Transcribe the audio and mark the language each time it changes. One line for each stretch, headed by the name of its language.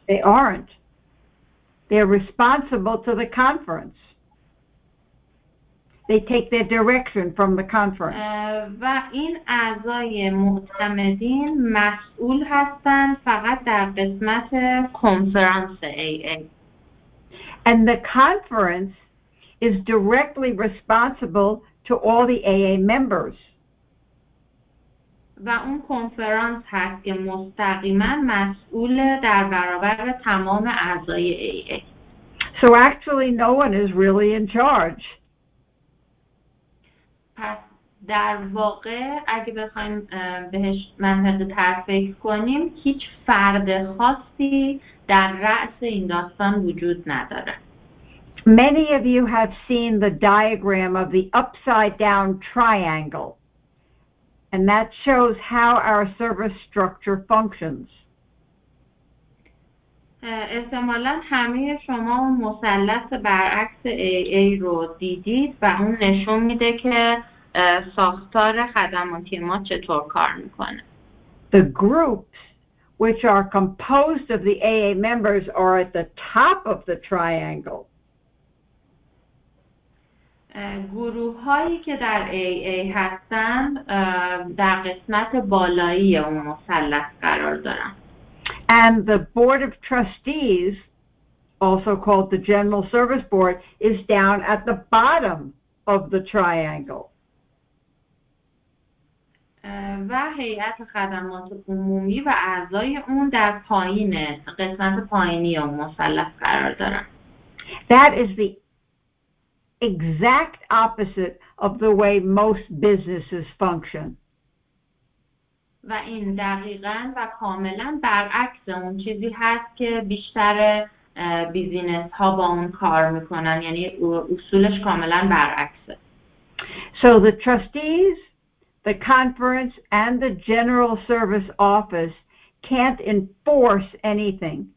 English: They aren't. They're responsible to the conference. They take their direction from the conference.
Persian: و این اعضای معتمدین مسئول هستند فقط در قسمت کنفرانس AA.
English: And the conference is directly responsible to all the AA members.
Persian: و اون کنفرانس هست که مستقیما مسئول در برابر تمام اعضای AA.
English: So actually no one is really in charge.
Persian: پس در واقع اگه بخوایم بهش منطقی تر فکر کنیم هیچ فرد خاصی در رأس این داستان وجود نداره.
English: Many of you have seen the diagram of the upside down triangle, and that shows how our service structure functions.
Persian: احتمالاً همه شما مثلث برعکس AA رو دیدید و اون نشون میده که ساختار خدماتی ما چطور کار میکنه.
English: The groups which are composed of the AA members are at the top of the triangle.
Persian: گروه هایی که در AA هستند در قسمت بالایی اون مثلث قرار دارن.
English: And the Board of Trustees, also called the General Service Board, is down at the bottom of the triangle.
Persian: و هیئت خدمات عمومی و اعضای اون در پایین قسمت پایینی اون مثلث قرار دارن.
English: That is the exact opposite of the way most businesses function.
Persian: و این دقیقاً و کاملاً برعکس اون چیزی هست که بیشتر بیزینس ها با اون کار میکنن، یعنی اصولش کاملاً برعکسه.
English: So the trustees, the conference and the general service office can't enforce anything.